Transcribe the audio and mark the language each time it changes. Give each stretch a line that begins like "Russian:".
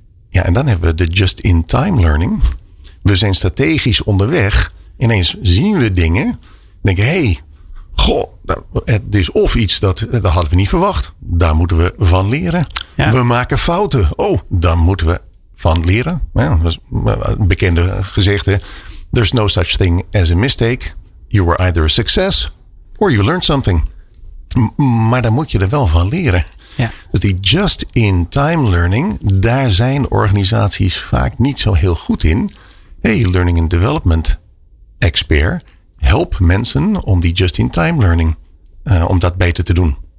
Dutch: Ja, en dan hebben we de just-in-time learning. We zijn strategisch onderweg. Ineens zien we dingen. Denken, het is of iets dat hadden we niet verwacht. Daar moeten we van leren. Ja. We maken fouten. Oh, dan moeten we van leren. Ja, bekende gezegde.
English: There's no such thing as a mistake. You were either a success or you learned something.
Dutch: Maar dan moet je er wel van leren. Ja. Dus die just-in-time learning, daar zijn organisaties vaak niet zo heel goed in.
English: Hey, learning and development expert,
Dutch: help mensen om die just-in-time learning, om dat beter te doen.